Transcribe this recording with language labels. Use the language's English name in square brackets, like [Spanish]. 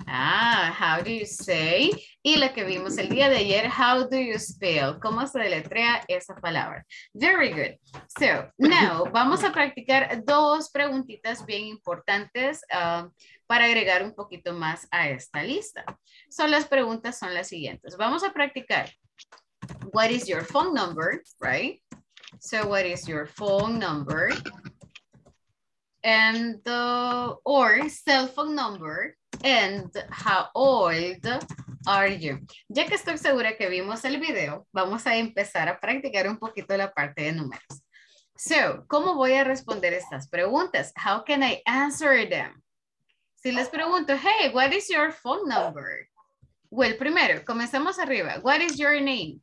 [Spanish] Ah, [English] how do you say? [Spanish] Y la que vimos el día de ayer, [English] how do you spell? [Spanish] ¿Cómo se deletrea esa palabra? [English] Very good. So, now, [Spanish] vamos a practicar dos preguntitas bien importantes para agregar un poquito más a esta lista. So, las preguntas son las siguientes. Vamos a practicar. [English] What is your phone number, right? So, what is your phone number? and the or cell phone number and how old are you? [Spanish] Ya que estoy segura que vimos el video, vamos a empezar a practicar un poquito la parte de números. So, ¿cómo voy a responder estas preguntas? [English] How can I answer them? [Spanish] Si les pregunto, [English] hey, what is your phone number? Well, [Spanish] primero, comenzamos arriba. [English] What is your name?